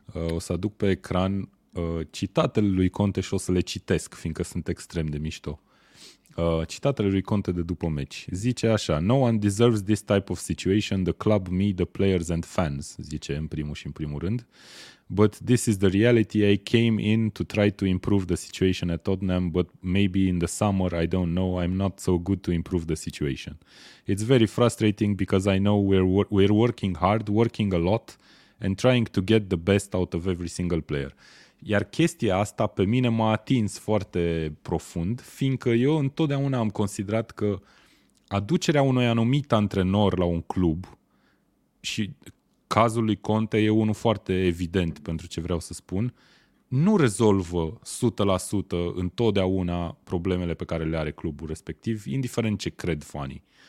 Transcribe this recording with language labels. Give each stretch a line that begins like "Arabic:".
Romanian: O să aduc pe ecran citatele lui Conte și o să le citesc, fiindcă sunt extrem de mișto. Citatele lui Conte de după meci. Zice așa:
English: "No one deserves this type of situation, the club, me, the players and fans,"
Romanian: zice în primul și în primul rând.
English: "But this is the reality. I came in to try to improve the situation at Tottenham, but maybe in the summer, I don't know, I'm not so good to improve the situation. It's very frustrating because I know we're working hard, working a lot and trying to get the best out of every single player."
Romanian: Iar chestia asta pe mine m-a atins foarte profund, fiindcă eu întotdeauna am considerat că aducerea unui anumit antrenor la un club, și cazul lui Conte e unul foarte evident pentru ce vreau să spun, nu rezolvă 100% întotdeauna problemele pe care le are clubul respectiv, indiferent ce cred fanii.